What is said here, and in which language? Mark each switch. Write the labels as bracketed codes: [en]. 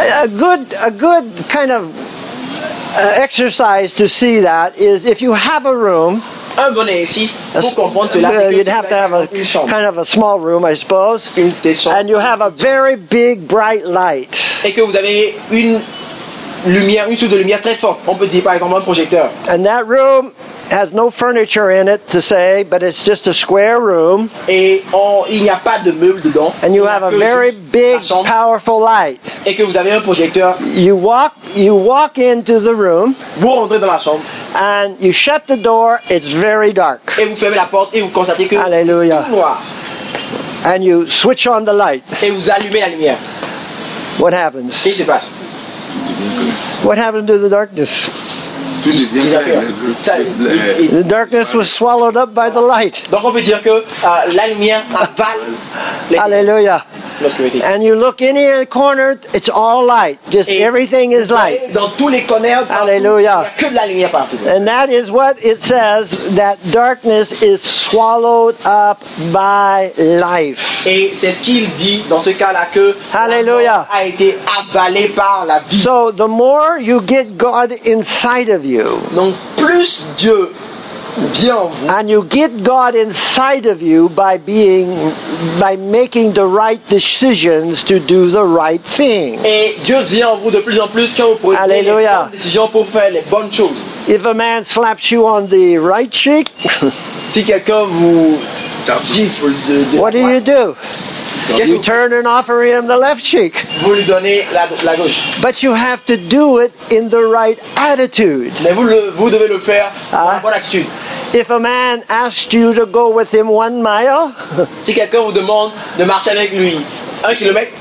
[en] A good kind of exercise to see that is if you have a room. [fr] Un bon exercice pour comprendre cela. [en] You'd have to have a kind of a small room, I suppose. And you have a very big bright light. [fr] Et que vous avez une lumière, une source de lumière très forte. On peut dire par exemple un projecteur. [en] And that room has no furniture in it to say, but it's just a square room. [fr] Et il n'y a pas de meubles dedans. [en] And you have a very big, powerful light. [fr] Et que vous avez un projecteur. [en] You walk into the room. [fr] Vous rentrez dans la chambre. [en] And you shut the door. It's very dark. [fr] Et vous fermez la porte et vous constatez que Alléluia. Tout noir. [en] And you switch on the light. [fr] Et vous allumez la lumière. [en] What happens? [fr] Qu'est-ce qui se passe? [en] What happened to the darkness? The darkness was swallowed up by the light. [fr] Donc on peut dire que la lumière avale. Alléluia. [en] And you look in any corner, it's all light. Just everything is light. [fr] Dans tous les corners, Alléluia. Que de la lumière partout. [en] And that is what it says, that darkness is swallowed up by life. [fr] Et c'est ce qu'il dit dans ce cas-là que Alléluia. A été avalé par la vie. [en] So the more you get God inside of you, [fr] donc plus Dieu vient en vous. [en] And you get God inside of you by being, by making the right decisions to do the right thing. [fr] Et Dieu vient en vous de plus en plus quand vous prenez les bonnes décisions pour faire les bonnes choses. [en] If a man slaps you on the right cheek, [fr] si quelqu'un vous gifle de [en] what do you do? You turn and offer him the left cheek. [fr] Vous lui donnez la gauche. [en] But you have to do it in the right attitude. [fr] Mais vous devez le faire dans la bonne attitude. [en] If a man asked you to go with him 1 mile, [fr] si quelqu'un vous demande de marcher avec lui 1 kilomètre,